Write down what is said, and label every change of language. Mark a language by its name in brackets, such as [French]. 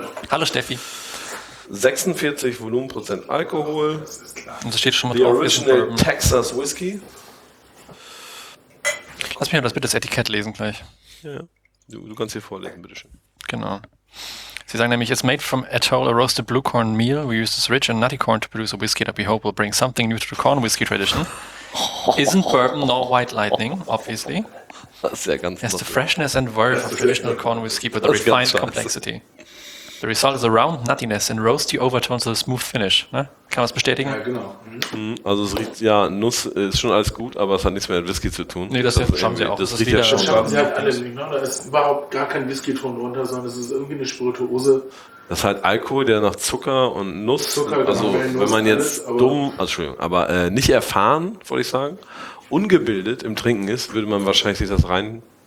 [German] Hallo Steffi. 46 Volumenprozent Alcohol. Und das steht schon mal drauf. Original Texas Whiskey. Lass mich mal das bitte das Etikett lesen gleich. Ja. Du kannst hier vorlesen, bitteschön. Genau. Sie sagen nämlich, [English] it's made from atoll a roasted blue corn meal. We use this rich and nutty corn to produce a whiskey that we hope will bring something new to the corn whiskey tradition. Isn't bourbon nor white lightning, obviously. [German] Das ist ja ganz lustig. [English] It has the freshness and verve of traditional corn whiskey with a refined complexity. The result is a round nuttiness and roasty overtones with a smooth finish. [German] Ne? Kann man das bestätigen? Ja, genau. Mhm. Also es riecht, ja, Nuss ist schon alles gut, aber es hat nichts mehr mit Whisky zu tun. Nee, das schauen sie auch. Das riecht ja schon. Sie haben alle, ne? Da ist überhaupt gar kein Whisky-Ton drunter, sondern es ist irgendwie eine Spirituose. Das ist halt Alkohol, der nach Zucker und Nuss, also wenn man jetzt dumm, Entschuldigung, aber nicht erfahren, wollte ich sagen, ungebildet im Trinken ist, würde man wahrscheinlich sich das rein...